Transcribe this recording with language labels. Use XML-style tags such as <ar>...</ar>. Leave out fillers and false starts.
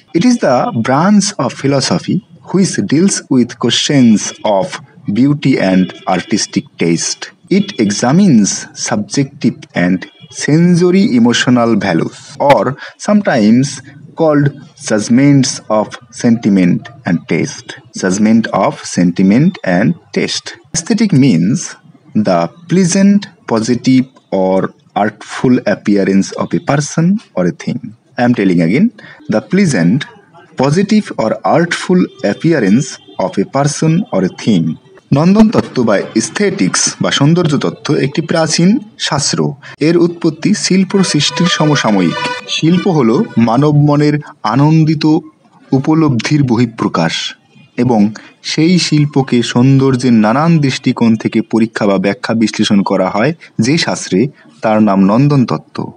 <en>It is the branch of philosophy which deals with questions of beauty and artistic taste. It examines subjective and sensory emotional values, or sometimes called judgments of sentiment and taste. Judgment of sentiment and taste. Aesthetic means the pleasant positive or artful appearance of a person or a thing. I am telling again, the pleasant, positive or artful appearance of a person or a thing.</en> <bn>নন্দনতত্ত্ব বা aesthetics বা সৌন্দর্য তত্ত্ব একটি প্রাচীন শাস্ত্র। এর উৎপত্তি শিল্প সৃষ্টির সমসাময়িক। শিল্প হলো মানব মনের আনন্দিত উপলব্ধির বহিঃপ্রকাশ, এবং সেই শিল্পকে সৌন্দর্যের নানান দৃষ্টিকোণ থেকে পরীক্ষা বা ব্যাখ্যা বিশ্লেষণ করা হয় যে শাস্ত্রে, তার নাম নন্দনতত্ত্ব।</bn>